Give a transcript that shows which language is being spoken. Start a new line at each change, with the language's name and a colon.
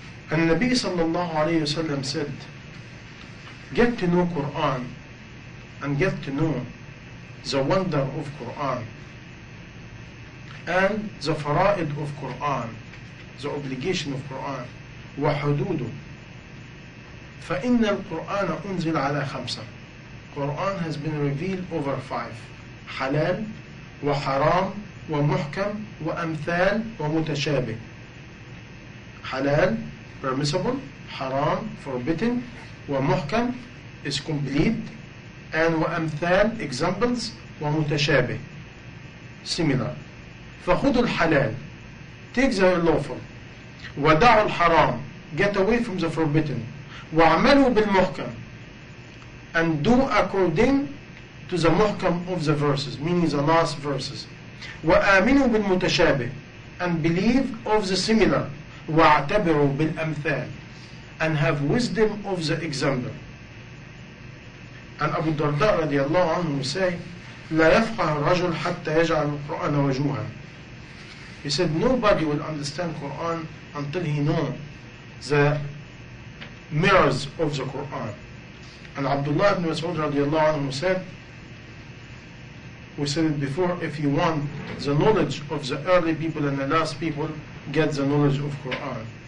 English: And Nabi sallallahu alayhi wa sallam said, get to know Quran and get to know the wonder of Quran and the fara'id of Quran, the obligation of Quran, وَحُدُودُ
Arabic: فَإِنَّ الْقُرْآنَ أُنزِلَ عَلَى خَمْسَةٍ.
English: Quran has been revealed over five.
Arabic: حلال وحرام ومحكم وأمثال ومتشابه.
English: حلال permissible, حرام forbidden, ومحكم is complete, and وأمثال examples, ومتشابه similar.
Arabic: فخذوا الحلال,
English: take the lawful,
Arabic: ودعوا الحرام,
English: get away from the forbidden,
Arabic: وعملوا بالمحكم,
English: and do according to the muhkam of the verses, meaning the last verses.
Arabic: وآمنوا بالمتشابه,
English: and believe of the similar.
Arabic: واعتبروا بالأمثال,
English: and have wisdom of the example.
Arabic: And Abu Darda رضي الله عنه say, لا يفقه الرجل حتى يجعل القرآن وجوها.
English: He said, nobody will understand Quran until he knows the mirrors of the Quran. And Abdullah ibn Mas'ud radiallahu anhu said, we said it before, if you want the knowledge of the early people and the last people, get the knowledge of Quran.